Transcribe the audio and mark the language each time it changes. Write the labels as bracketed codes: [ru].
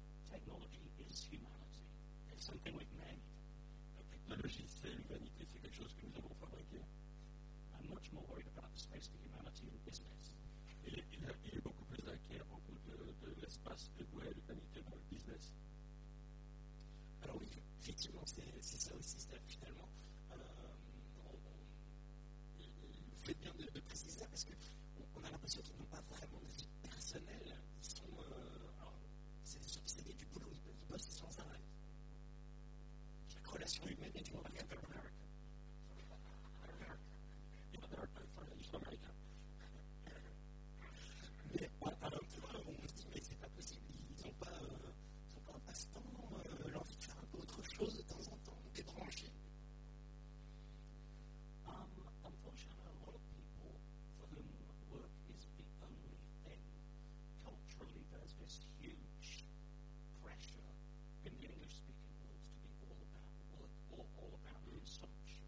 [en] Technology is humanity. It's something we've made. [fr] La technologie, c'est l'humanité, c'est quelque chose que nous avons fabriqué. [en] I'm much more worried about the space of humanity in business. [fr] Il est beaucoup plus inquiet à propos de l'espace de vouer l'humanité dans le business. Alors oui, effectivement, c'est ça aussi, Steph, finalement. Vous faites bien de préciser ça, parce qu'on a l'impression qu'ils n'ont pas vraiment de vie personnelle. Ils sont... C'est du boulot, ils bossent sans arrêt. Chaque relation humaine est une relation avec l'Amérique. L'Amérique. L'Amérique. Mais on se dit, mais c'est pas possible, ils n'ont pas... l'envie de faire un peu autre chose de temps en temps, débrancher. [en] Unfortunately, a lot of people for whom work is the only thing. Culturally, there's this huge pressure in the English-speaking world to be all about work or all about doing something.